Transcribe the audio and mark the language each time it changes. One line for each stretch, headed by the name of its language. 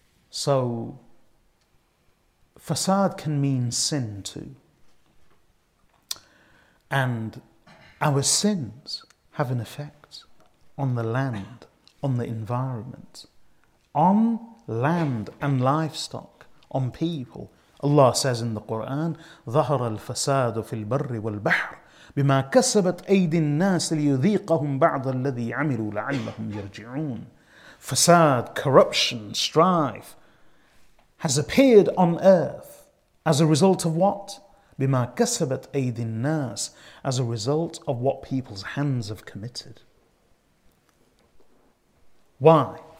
English: So fasad can mean sin too. And our sins have an effect on the land, on the environment, on land and livestock, on people. Allah says in the Quran,
Arabic: ظَهَرَ الْفَسَادُ فِي الْبَرِّ وَالْبَحْرِ بِمَا كَسَبَتْ أَيْدِ النَّاسِ لِيُذِيقَهُمْ بَعْضَ الَّذِي عَمِلُوا لَعَلَّهُمْ يَرْجِعُونَ.
English: Fasad, corruption, strife has appeared on earth as a result of what?
Arabic: بِمَا كَسَبَتْ أَيْدِ النَّاسِ.
English: As a result of what people's hands have committed. Why?